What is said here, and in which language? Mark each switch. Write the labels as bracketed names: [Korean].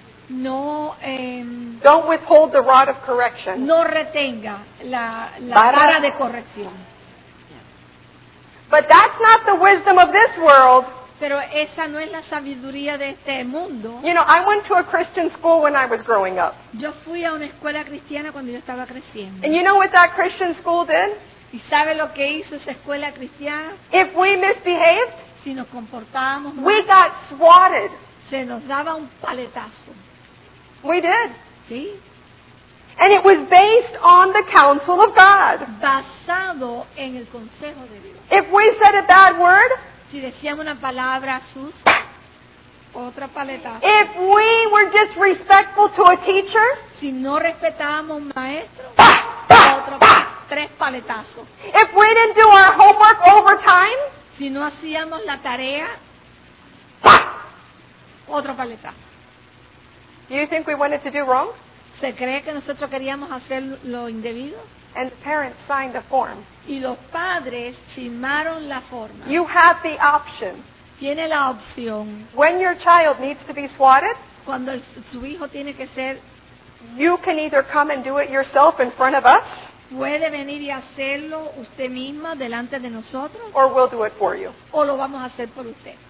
[English] Don't withhold the rod of correction. [Spanish] No retenga la vara de corrección. [English] But that's not the wisdom of this world. [Spanish] Pero esa no es la sabiduría de este mundo. [English] You know, I went to a Christian school when I was growing up. [Spanish] Yo fui a una escuela cristiana cuando yo estaba creciendo. [English] And you know what that Christian school did? [Spanish] ¿Y sabe lo que hizo esa escuela cristiana? [English] If we misbehaved, [Spanish] si nos comportábamos mal, [English] we got swatted. [Spanish] Se nos daba un paletazo. [English] We did. [Spanish] ¿Sí? [English] And it was based on the counsel of God. [Spanish] Basado en el consejo de Dios. [English] If we said a bad word, [Spanish] si decíamos una palabra sus, otra paletazo. [English] If we were disrespectful to a teacher, [Spanish] si no respetábamos maestro, otro tres paletazos. [English] If we didn't do our homework over time, [Spanish] si no hacíamos la tarea, otro paletazo. [English] Do you think we wanted to do wrong? [Spanish] ¿Se cree que nosotros queríamos hacer lo indebido? [English] And parents signed the form. [Spanish] Y los padres firmaron la forma. [English] You have the option. [Spanish] Tiene la opción. [English] When your child needs to be swatted, [Spanish] cuando el, su hijo tiene que ser, [English] you can either come and do it yourself in front of us, [Spanish] puede venir y hacerlo usted misma delante de nosotros, [English] or we'll do it for you, [Spanish] o lo vamos a hacer por usted.